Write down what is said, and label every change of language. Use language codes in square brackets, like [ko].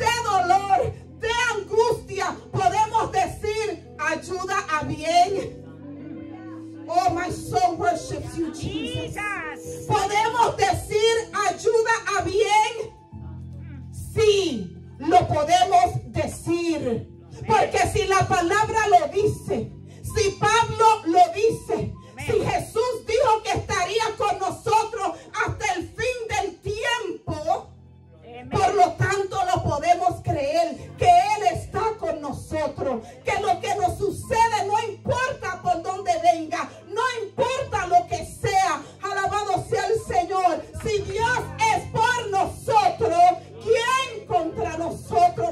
[es] dolor, de angustia, podemos decir, ayuda a bien. [en] Oh, my soul worships you, Jesus. [es] Podemos decir, ayuda a bien. Sí, lo podemos decir. Porque si la palabra lo dice, si Pablo lo dice, si Jesús dijo que estaría con nosotros hasta el fin del tiempo, por lo tanto lo podemos creer, que Él está con nosotros, que lo que nos sucede no importa por dónde venga, no importa lo que sea, alabado sea el Señor, si Dios es por nosotros, ¿quién contra nosotros?